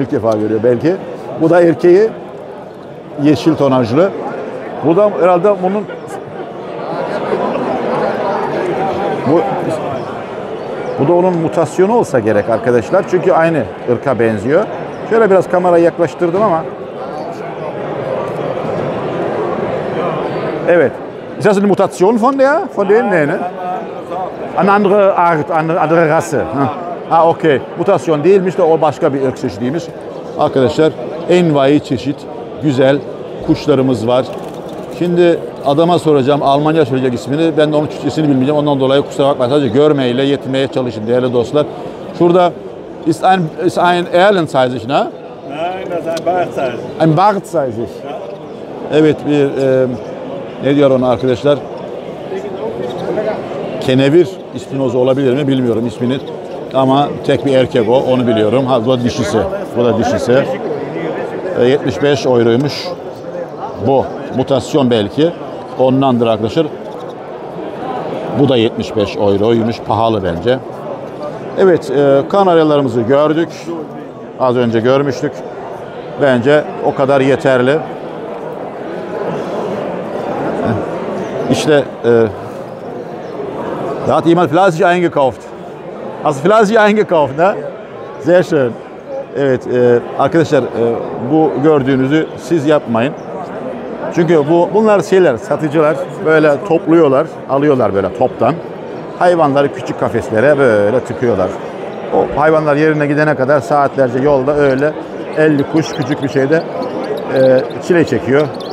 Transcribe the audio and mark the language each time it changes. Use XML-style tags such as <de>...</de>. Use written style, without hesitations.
<tr>İlk defa görüyor belki. Bu da erkeği. Yeşil tonajlı. Bu da herhalde bunun... Bu da onun mutasyonu olsa gerek arkadaşlar. Çünkü aynı ırka benziyor. Şöyle biraz kamerayı yaklaştırdım ama. Evet.</tr> <de>Ist das eine Mutation von der? Von denen? Nee, ne? Eine andere Art, eine andere Rasse. Ha, okay.</de> <tr>Mutasyon değilmiş de o başka bir ırk çeşidiymiş. Arkadaşlar, envai çeşit güzel kuşlarımız var. Şimdi adama soracağım, Almanca söyleyecek ismini. Ben de onun Türkçesini bilmeyeceğim. Ondan dolayı kusura bakma. Sadece görmeyle yetinmeye çalışın değerli dostlar. Şurada</tr> <de>ist ein Erlenzeisig, ne? Nein, das ein Bartzeisig. Ein Bartzeisig.</de> <tr>Evet, bir ne diyor ona arkadaşlar? Kenevir ispinozu olabilir mi bilmiyorum ismini. Ama tek bir erkek o, onu biliyorum. Ha, bu da dişisi. Bu da dişisi. 75 euroymuş. Bu. Mutasyon belki. Ondandır arkadaşlar. Bu da 75 euroymuş. Pahalı bence. Evet, kanaryalarımızı gördük. Az önce görmüştük. Bence o kadar yeterli.</tr> <de>İşte da hat jemand fleißig eingekauft. Hast du fleißig eingekauft, ne? Sehr schön.</de> <tr>Evet, arkadaşlar bu gördüğünüzü siz yapmayın. Çünkü bunlar şeyler, satıcılar böyle topluyorlar, alıyorlar böyle toptan. Hayvanları küçük kafeslere böyle tıkıyorlar. O hayvanlar yerine gidene kadar saatlerce yolda öyle 50 kuş küçük bir şeyde çile çekiyor.</tr>